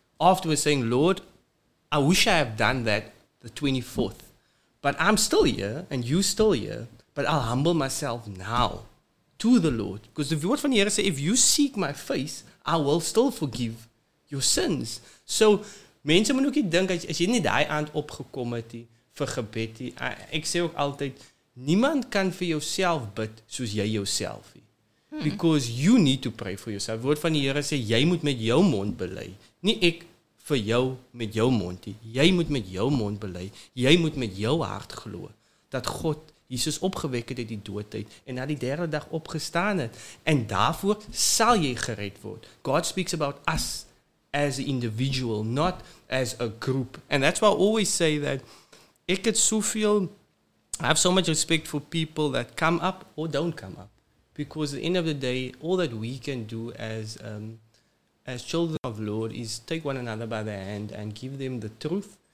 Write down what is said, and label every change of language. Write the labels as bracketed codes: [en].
[en] Afterwards saying, Lord, I wish I had done that the 24th. But I'm still here, and you're still here, but I'll humble myself now to the Lord. Because if you want from here, say, if you seek my face, I will still forgive your sins. [af] So, mense moet ook nie dink, as jy nie daai aand opgekom het vir gebed, ek sê ook altyd, niemand kan vir jouself bid soos jy jouself. [en] Because you need to pray for yourself. [af] Woord van die Here sê, jy moet met jou mond bely. Nie ek vir jou met jou mond. Jy moet met jou mond bely. Jy moet met jou hart glo dat God Jesus opgewek het uit die doodheid en na die derde dag opgestaan het. En daarvoor sal jy gered word. [en] God speaks about us as an individual, not as a group. And that's why I always say that [af] ek het soveel, [en] I have so much respect for people that come up or don't come up. Because at the end of the day, all that we can do as children of the Lord is take one another by the hand and give them the truth.